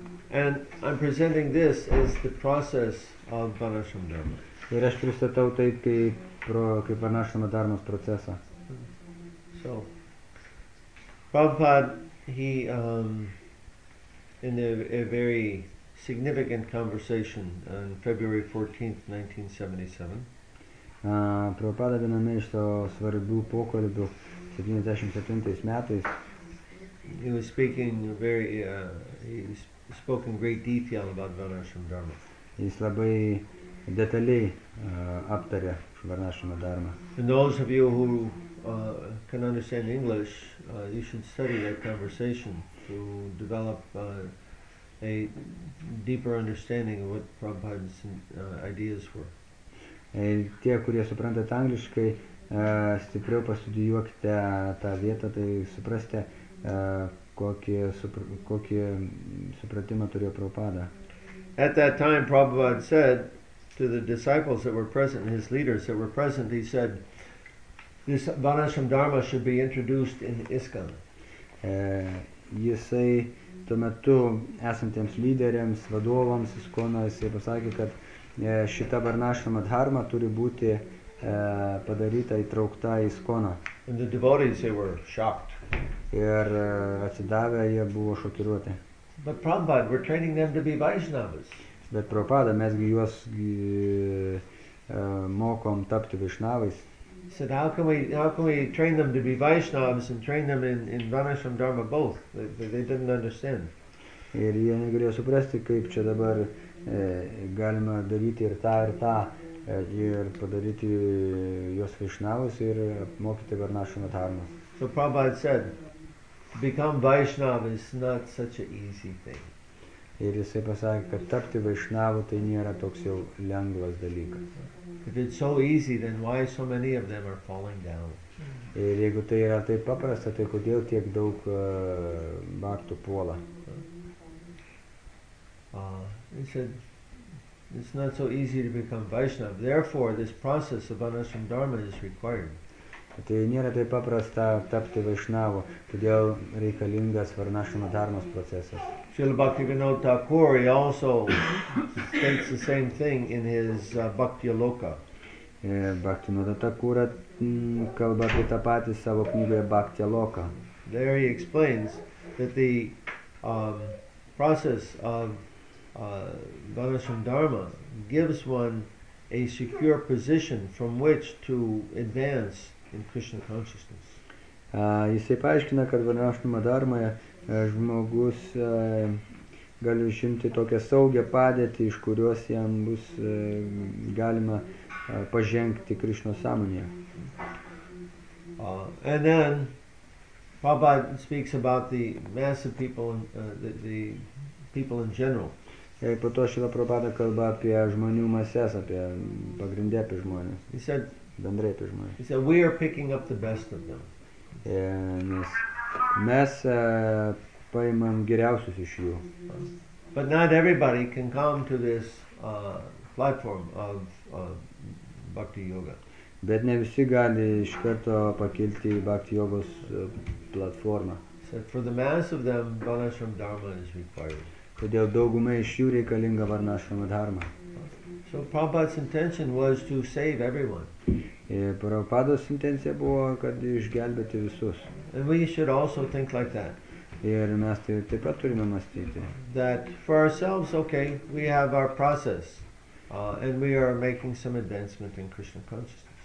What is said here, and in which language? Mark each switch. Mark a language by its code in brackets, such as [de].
[en] And I'm presenting this as the process of Vanashrama Dharma. [lt] Ir aš pristatau tai kaip Vanashrama Dharmos procesą. [en] So, Prabhupada, in a very significant conversation on February 14th, 1977. [lt] Prabhupada viename iš to svarbių pokalbių 77 metais. [en] He was speaking very, he spoke in great detail about Vanashrama Dharma. [lt] Jis labai detaliai aptarė Vanashrama Dharma. [en] And those of you who can understand English, you should study that conversation to develop a deeper understanding of what Prabhupada's ideas were. [lt] Tie, kurie suprantate angliškai, stipriau pastudijuokite tą vietą, tai suprasite, kokį supratimą turėjo Prabhupada. [en] At that time, Prabhupada said to the disciples that were present, his leaders that were present, he said, this Vanashram Dharma should be introduced in ISKCON. [lt] Jisai tuo metu esantiems lyderiams, vadovams ISKCONo, jisai pasakė, kad šita Varnashram Dharma turi būti padaryta įtraukta į ISKCONą. [en] And the devotees, they were shocked. [lt] Ir atsidavę, jie buvo šokiruoti. [en] But Prabhupada, we're training them to be Vaishnavas. [lt] Bet Prabhupada, mesgi juos mokom tapti Vaishnavais. [en] He said, how can we train them to be Vaishnavas and train them in Vanashram Dharma both? They didn't understand. [lt] Ir jie negalėjo suprasti, kaip čia dabar galima daryti ir tą, ir tą, ir padaryti juos Vaishnavas ir mokyti Vanashram Dharma. [en] So Prabhupada said, become Vaishnava is not such an easy thing. [lt] Ir jisai pasakė, kad tapti Vaishnavu tai nėra toks jau lengvas dalykas. [en] If it's so easy, then why so many of them are falling down? [lt] Ir jeigu tai yra taip paprasta, tai kodėl tiek daug baktų puola? [en] He said, it's not so easy to become Vaishnava. Therefore, this process of Vanashram Dharma is required. [lt] Tai nėra taip paprasta tapti Vaishnavu, todėl reikalingas Varnashrama Dharmos procesas. [en] Srila Bhaktivinoda Thakur, he also states the same thing in his Bhaktiloka. [lt] Bhaktivinoda Thakur kalba apie tą patį savo knygoje Bhaktiloka. [en] There he explains that the process of Vanashram Dharma gives one a secure position from which to advance in Krishna consciousness. [lt] Jisai paaiškina, kad Vanashrama Dharmoje žmogus gali išimti tokią saugią padėtį, iš kurios jam bus galima pažengti Krishna sąmonėje. [en] And then Prabhupada speaks about the massive people the people in general. [lt] Ir po to Šrila Prabhupada kalba apie žmonių mases, apie pagrindę apie žmonės. [en] He said, we are picking up the best of them. [lt] Yeah, mes paimam geriausius iš jų. [en] But not everybody can come to this platform of Bhakti Yoga. [lt] Bet ne visi gali iš karto pakilti į Bhakti Yogos platformą. [en] He said, for the mass of them, Vanashram Dharma is required. [lt] Todėl daugumai iš jų reikalinga Vanashram Dharma. [en] So Prabhupada's intention was to save everyone. [lt] Prabhupados intencija buvo, kad išgelbėti visus. [en] And we should also think like that. [lt] Ir mes tai taip pat turime mąstyti. [en] That for ourselves, okay, we have our process, and we are making some advancement in Krishna consciousness.